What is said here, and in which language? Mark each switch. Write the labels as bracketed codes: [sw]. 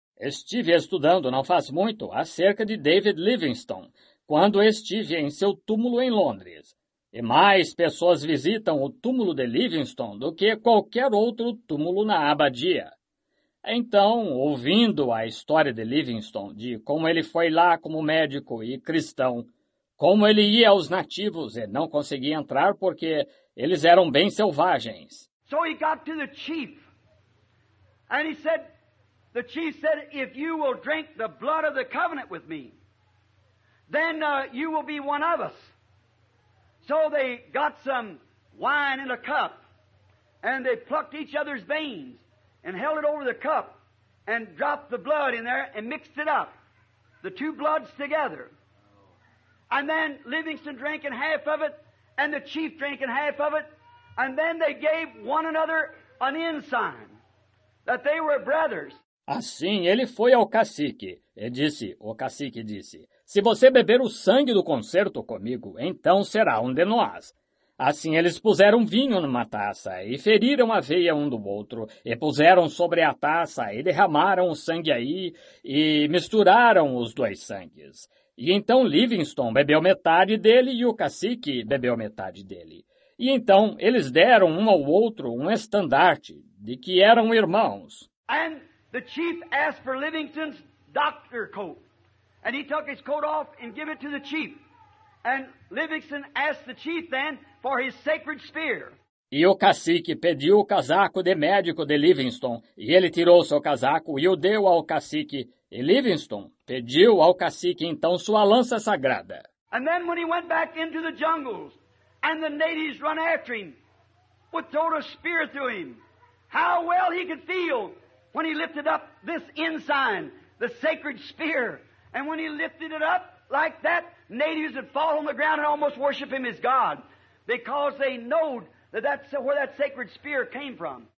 [pt] Estive estudando não faz muito acerca de David Livingstone, quando estive em seu túmulo em Londres. E mais pessoas visitam o túmulo de Livingstone do que qualquer outro túmulo na abadia. Então, ouvindo a história de Livingstone, de como ele foi lá como médico e cristão, como ele ia aos nativos e não conseguia entrar porque eles eram bem selvagens. [en] So he got to the chief, and he said, the chief said, if you will drink the blood of the covenant with me, then you will be one of us. So they got some wine in a cup, and they plucked each other's veins and held it over the cup and dropped the blood in there and mixed it up. the two bloods together. And then Livingston drank in half of it, and the chief drank in half of it, and then they gave one another an ensign that they were brothers. [pt] Assim ele foi ao cacique, e disse, o cacique disse, se você beber o sangue do concerto comigo, então será um de nós. Assim eles puseram vinho numa taça, e feriram a veia um do outro, e puseram sobre a taça, e derramaram o sangue aí, e misturaram os dois sangues. E então Livingston bebeu metade dele, e o cacique bebeu metade dele. E então eles deram um ao outro um estandarte, de que eram irmãos. [en] And the chief asked for Livingston's doctor coat, and he took his coat off and gave it to the chief. And Livingston asked the chief then for his sacred spear. [pt] E o cacique pediu o casaco de médico de Livingston, e ele tirou seu casaco e o deu ao cacique. E Livingston pediu ao cacique então sua lança sagrada. [en] And then when he went back into the jungles, and the natives run after him, would throw a spear through him. How well he could feel when he lifted up this ensign, the sacred spear. And when he lifted it up like that, natives would fall on the ground and almost worship him as God, because they know that that's where that sacred spear came from.